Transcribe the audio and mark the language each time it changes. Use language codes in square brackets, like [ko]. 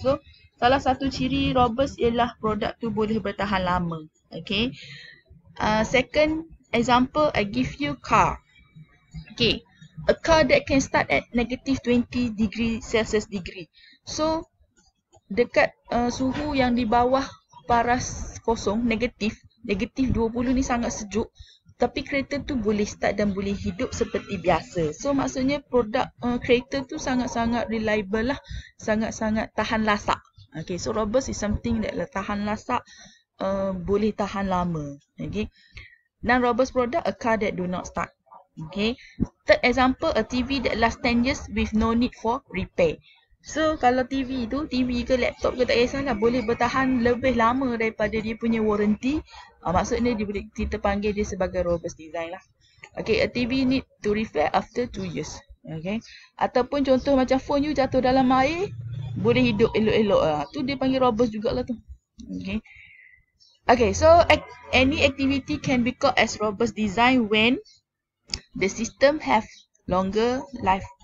[ms] So salah satu ciri robust ialah produk tu boleh bertahan lama. Okay. [en] Second example, I give you car. Okay. A car that can start at negative 20 degree Celsius degree. [ms] So dekat suhu yang di bawah paras kosong, negatif, negatif 20 ni sangat sejuk. Tapi kereta tu boleh start dan boleh hidup seperti biasa. So maksudnya produk kereta tu sangat-sangat reliable lah. Sangat-sangat tahan lasak. [en] Okay, so robust is something that [ms] tahan lasak, boleh tahan lama. [en] Okay, non-robust product, a car that do not start. Okay, third example, a TV that last 10 years with no need for repair. [ms] So kalau TV tu, TV ke laptop ke tak kisahlah, boleh bertahan lebih lama daripada dia punya warranty. Maksudnya kita panggil dia sebagai robust design lah. [en] Okay, a TV need to repair after 2 years. [ms] Okay, ataupun contoh macam phone you jatuh dalam air, boleh hidup elok-elok lah. Tu dia panggil robust jugalah tu. Okay. [en] Okay, so any activity can be called as robust design when the system have longer life.